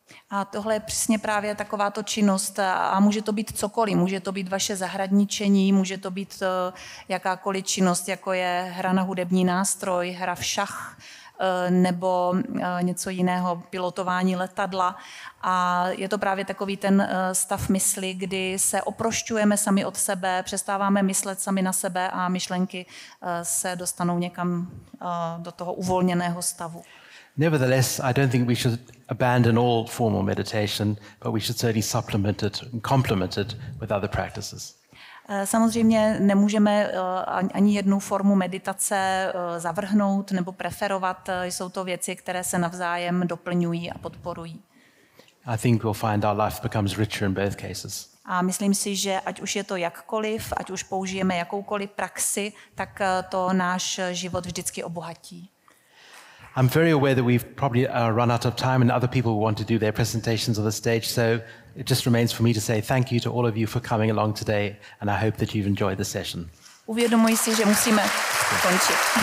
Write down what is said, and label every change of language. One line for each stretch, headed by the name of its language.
Czech: A tohle je přesně právě takováto činnost a může to být cokoliv, může to být vaše zahradničení, může to být jakákoliv činnost, jako je hra na hudební nástroj, hra v šach, nebo něco jiného, pilotování letadla. A je to právě takový ten stav mysli, kdy se oprošťujeme sami od sebe, přestáváme myslet sami na sebe a myšlenky se dostanou někam do toho uvolněného stavu.
English: Nevertheless, I don't think we should abandon all formal meditation, but we should certainly supplement it and complement it with other practices.
Czech: Samozřejmě nemůžeme ani jednu formu meditace zavrhnout nebo preferovat. Jsou to věci, které se navzájem doplňují a podporují.
English: I think we'll find our life becomes richer in both cases.
Czech: A myslím si, že ať už je to jakkoliv, ať už použijeme jakoukoliv praxi, tak to náš život vždycky obohatí.
English: I'm very aware that we've probably run out of time and other people want to do their presentations on the stage, so it just remains for me to say thank you to all of you for coming along today and I hope that you've enjoyed the session.
Czech: Uvědomuji si, že musíme skončit.